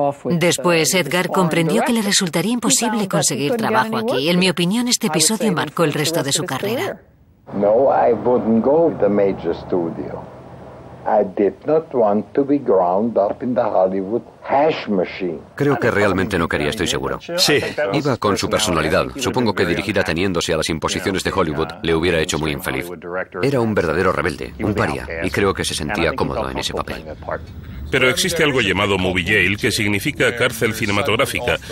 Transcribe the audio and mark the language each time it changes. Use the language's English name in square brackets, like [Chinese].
[Spanish] Después, Edgar comprendió que le resultaría imposible conseguir trabajo aquí. En mi opinión, este episodio marcó el resto de su carrera. [English] No, I wouldn't go to the major studio. I did not want to be ground up in the Hollywood hash machine. [Spanish] Creo que realmente no quería, estoy seguro. Sí, iba con su personalidad. Supongo que dirigir ateniéndose a las imposiciones de Hollywood le hubiera hecho muy infeliz. Era un verdadero rebelde, un paria, y creo que se sentía cómodo en ese papel. Pero existe algo llamado movie jail, que significa cárcel cinematográfica.